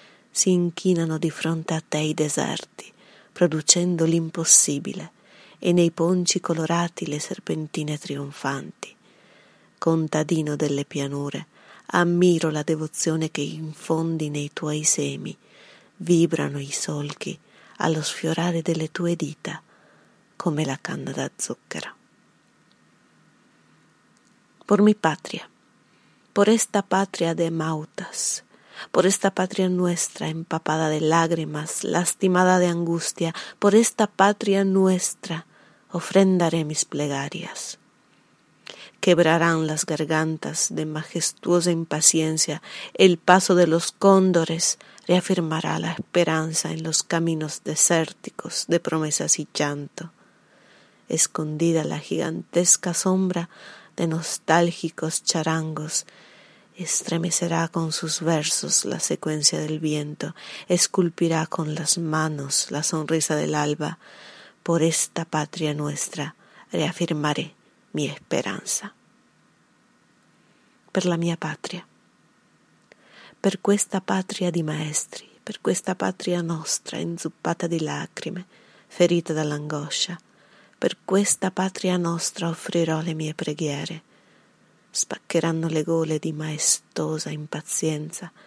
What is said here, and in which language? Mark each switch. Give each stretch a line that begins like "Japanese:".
Italian: Si inchinano di fronte a te i deserti, producendo l'impossibile, e nei ponci colorati le serpentine trionfanti. Contadino delle pianure, ammiro la devozione che infondi nei tuoi semi. Vibrano i solchi allo sfiorare delle tue dita, come la canna da zucchero.
Spanish: Por mi patria, por esta patria de Mautas, por esta patria nuestra empapada de lágrimas, lastimada de angustia, por esta patria nuestra ofrendaré mis plegarias. Quebrarán las gargantas de majestuosa impaciencia, el paso de los cóndores reafirmará la esperanza en los caminos desérticos de promesas y llanto. Escondida la gigantesca sombra, de nostálgicos charangos, estremecerá con sus versos la secuencia del viento, esculpirá con las manos la sonrisa del alba. Por esta patria nuestra reafirmaré mi esperanza.
Italian: Per la mia patria, per questa patria di maestri, per questa patria nostra inzuppata di lacrime, ferita dall'angoscia, per questa patria nostra offrirò le mie preghiere. spaccheranno le gole di maestosa impazienza.